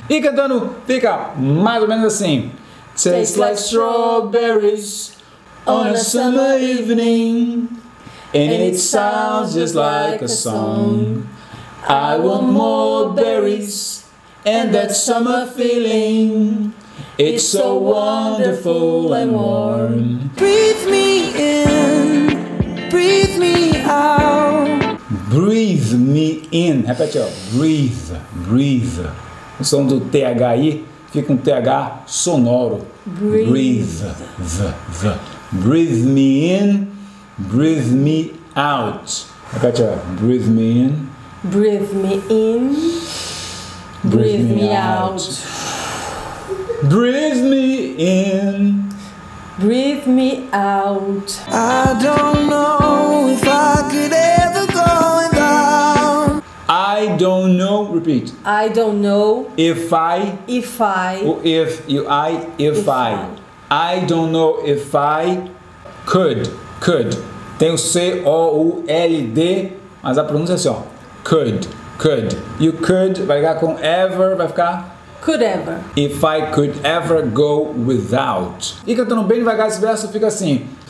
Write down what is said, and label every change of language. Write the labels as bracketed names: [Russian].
[Portuguese] E cantando, fica mais ou menos assim. [English] Tastes like strawberries on a summer evening. And it sounds just like a song. I want more berries and that summer feeling. It's so wonderful and warm. Breathe me in, breathe me out. Breathe me in. [Portuguese] Repete, ó. [English] Breathe, breathe. [Portuguese] O som do THI fica um TH sonoro. [English] Breathe, breathe, breathe me in, breathe me out. [Portuguese] Repete, ó. [English] Breathe me in. Breathe me in. Breathe me out. Breathe me in. Breathe me out. I don't know if I could ever go. I don't know, repeat. I don't know if I. If I. Or if you, I, if I. I. I don't know if I could. Could. [Portuguese] Tem o C, O, U, L, D, mas a pronúncia é assim, ó. Could. Could. [English] You could, [Portuguese] vai ficar com ever, vai ficar. [English] Could ever. If I could ever go without. [Portuguese] E cantando bem devagar esse verso, fica assim.